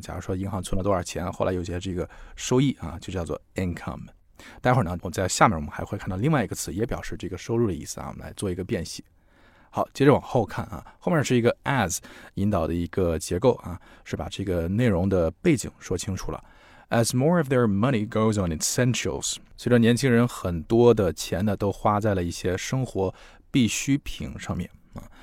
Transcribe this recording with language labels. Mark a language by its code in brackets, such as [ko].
[zh] 假如说银行存了多少钱，后来有些这个收益啊，就叫做 income。待会儿呢，我们在下面我们还会看到另外一个词，也表示这个收入的意思啊。我们来做一个辨析。好，接着往后看啊，后面是一个 as 引导的一个结构啊，是把这个内容的背景说清楚了。 [en] As more of their money goes on essentials， [zh] 随着年轻人很多的钱呢，都花在了一些生活必需品上面啊。